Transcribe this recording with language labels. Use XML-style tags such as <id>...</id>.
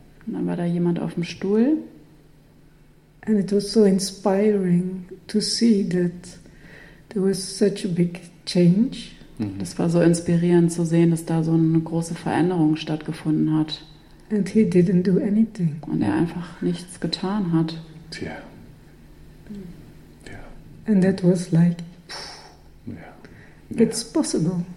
<de>Und dann war da jemand auf dem Stuhl.</de> <en>And it was so inspiring to see that there was such a big change.</en> <de>Das war so inspirierend zu sehen, dass da so eine große Veränderung stattgefunden hat.</de> <en>And he didn't do anything.</en> <de>Und er einfach nichts getan hat. Tja. Yeah.</de> <en>And that was like, it's possible.</en>